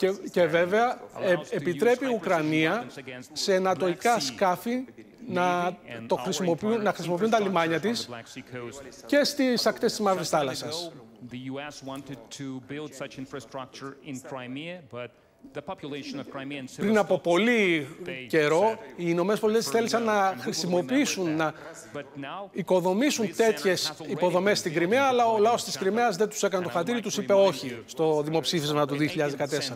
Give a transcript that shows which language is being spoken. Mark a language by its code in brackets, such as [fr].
[el] Και βέβαια επιτρέπει η Ουκρανία σε νατοϊκά σκάφη να χρησιμοποιούν τα λιμάνια της και στις ακτές της Μαύρης Θάλασσας. [en] The US wanted to build such infrastructure in Crimea, but the population of Crimea and [el] πριν από πολύ καιρό, οι Ηνωμένες Πολιτείες θέλησαν να χρησιμοποιήσουν, να οικοδομήσουν τέτοιες υποδομές στην Κρυμαία, αλλά ο λαός της Κρυμαίας δεν τους έκανε το χατήρι, τους είπε όχι στο δημοψήφισμα του 2014.